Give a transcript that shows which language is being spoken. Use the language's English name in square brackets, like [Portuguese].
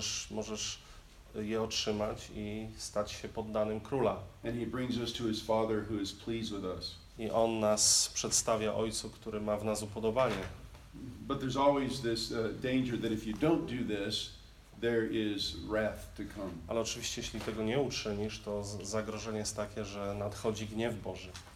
[Polish] Możesz je otrzymać i stać się poddanym króla. [English] And he brings us to his father who is pleased with us. [Polish] I on nas przedstawia ojcu, który ma w nas upodobanie. [English] But there's always this danger that if you don't do this, there is wrath to come. [Polish] Ale oczywiście, jeśli tego nie uczynisz, to zagrożenie jest takie, że nadchodzi gniew Boży.